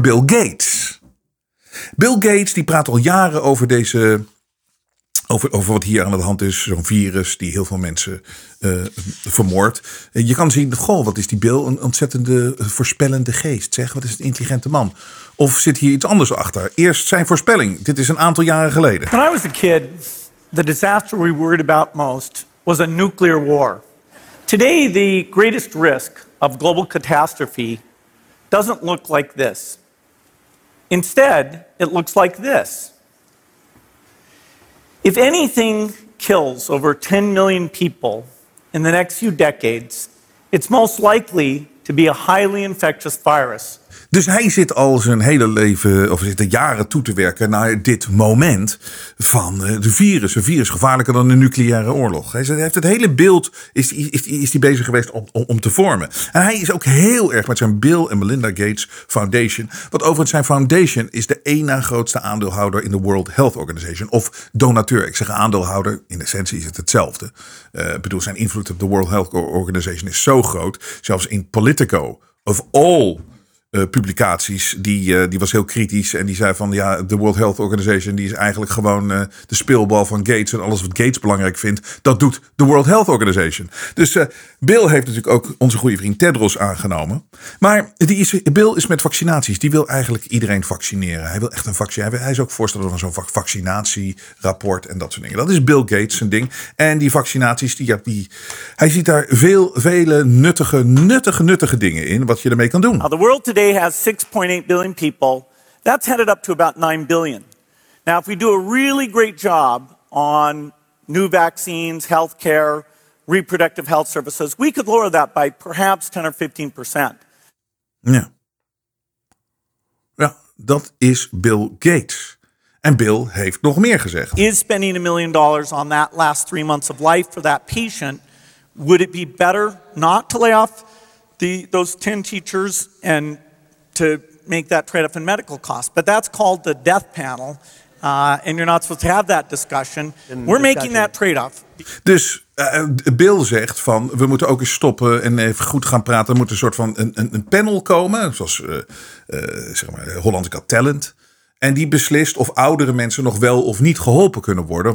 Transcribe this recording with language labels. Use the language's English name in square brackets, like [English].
[Dutch] Bill Gates. Bill Gates die praat al jaren over deze... Over wat hier aan de hand is, zo'n virus die heel veel mensen vermoordt. Je kan zien, goh, wat is die Bill? Een ontzettende voorspellende geest, zeg. Wat is een intelligente man? Of zit hier iets anders achter? Eerst zijn voorspelling. Dit is een aantal jaren geleden. [English] When I was a kid, the disaster we worried about most was a nuclear war. Today, the greatest risk of global catastrophe doesn't look like this. Instead, it looks like this. If anything kills over 10 million people in the next few decades, it's most likely to be a highly infectious virus. [Dutch] Dus hij zit al zijn hele leven, of zit er jaren toe te werken naar dit moment van de virus. Een virus gevaarlijker dan een nucleaire oorlog. Hij heeft het hele beeld, is hij bezig geweest om te vormen. En hij is ook heel erg met zijn Bill en Melinda Gates Foundation. Wat overigens zijn foundation is de één na grootste aandeelhouder in de World Health Organization. Of donateur. Ik zeg aandeelhouder, in essentie is het hetzelfde. Ik bedoel, zijn invloed op de World Health Organization is zo groot. Zelfs in Politico, [English] of all [Dutch] publicaties, die was heel kritisch en die zei van ja, de World Health Organization die is eigenlijk gewoon de speelbal van Gates en alles wat Gates belangrijk vindt, dat doet de World Health Organization. Dus Bill heeft natuurlijk ook onze goede vriend Tedros aangenomen. Maar Bill is met vaccinaties, die wil eigenlijk iedereen vaccineren. Hij wil echt een vaccin. Hij is ook voorstander van zo'n vaccinatierapport en dat soort dingen. Dat is Bill Gates zijn ding. En die vaccinaties, hij ziet daar veel, vele nuttige dingen in, wat je ermee kan doen. [English] The world today has 6.8 billion people. That's headed up to about 9 billion. Now, if we do a really great job on new vaccines, healthcare, reproductive health services, we could lower that by perhaps 10 or 15%. [Dutch] Ja. Ja, dat is Bill Gates. En Bill heeft nog meer gezegd. [English] Is spending $1 million on that last 3 months of life for that patient, would it be better not to lay off those 10 teachers and to make that trade-off in medical costs? But that's called the death panel. And you're not supposed to have that discussion. We're making that trade-off. [Dutch] Dus Bill zegt van we moeten ook eens stoppen en even goed gaan praten. Er moet een soort van een panel komen, zoals Holland Got Talent. En die beslist of oudere mensen nog wel of niet geholpen kunnen worden.